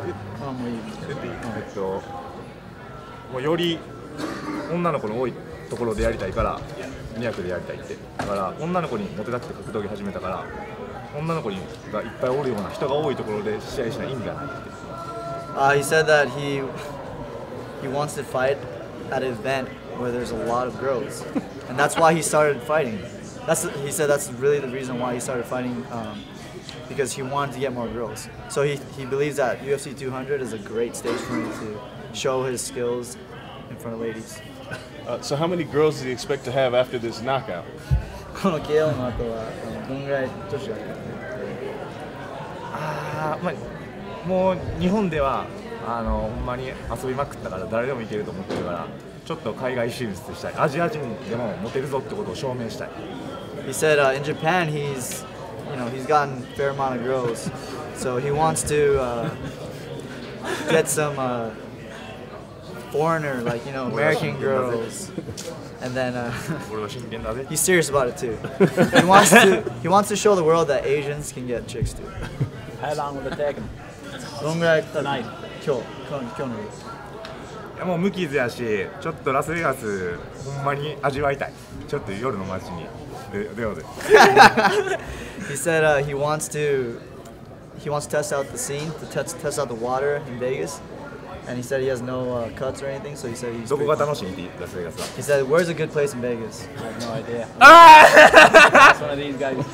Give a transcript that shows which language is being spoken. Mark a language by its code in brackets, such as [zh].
[ja] っていい。もうより女の子の多いところでやりたいから、200でやりたいって。だから、女の子にモテたくて格闘技始めたから、女の子がいっぱいおるような人が多いところで試合しない意味がないって。 [en] He said that he wants to fight at an event where there's a lot of girls. And that's why he started fighting. He said that's really the reason why he started fighting, because he wanted to get more girls. So he believes that UFC 200 is a great stage for him to show his skills in front of ladies. So how many girls did he expect to have after this knockout? [ja] この KO の後は、どのぐらい女子が来るの？もう日本では、ほんまに遊びまくったから誰でもいけると思ってるからちょっと海外進出したい。アジア人でもモテるぞってことを証明したい。 [en] He said, in Japan he's, you know, he's gotten a fair amount of girls. So he wants to get some foreigner, like, you know, American girls. And then he's serious about it too. He wants to show the world that Asians can get chicks too. How long will it take him? Long ride tonight. [ja] 今日のレース。もう無傷やし、ちょっとラスベガスほんまに味わいたい。ちょっと夜の街に出ようぜ。 [en] He said he wants to test out the scene, to test out the water in Vegas. And he said he has no cuts or anything, so he said he's pretty... [ja] どこが楽しいってラスベガスは。 [en] He said, where's a good place in Vegas? I have no idea. It's one of these guys.